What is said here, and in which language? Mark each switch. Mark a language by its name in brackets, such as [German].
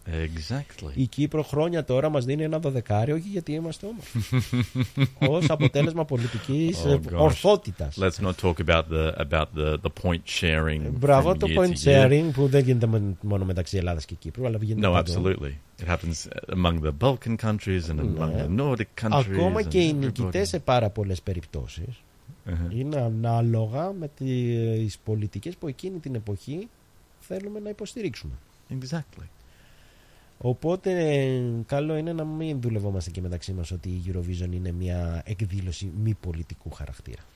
[English] Exactly. [Greek] Η Κύπρο χρόνια τώρα μας δίνει ένα δωδεκάρι, όχι γιατί είμαστε όμορφοι. Ως αποτέλεσμα πολιτικής ορθότητας. [English] Let's not talk about the point sharing. [Greek] Μπράβο, το point sharing που δεν γίνεται μόνο μεταξύ Ελλάδας και Κύπρου, αλλά γίνεται. [English] No, absolutely. It happens among the Balkan countries and among the Nordic countries. [Greek] Ακόμα και οι νικητές σε πάρα πολλές περιπτώσεις είναι ανάλογα με τις πολιτικές που εκείνη την εποχή θέλουμε να υποστηρίξουμε. [English] Exactly. [Greek] Οπότε καλό είναι να μην δουλευόμαστε και μεταξύ μας ότι η Eurovision είναι μια εκδήλωση μη πολιτικού χαρακτήρα.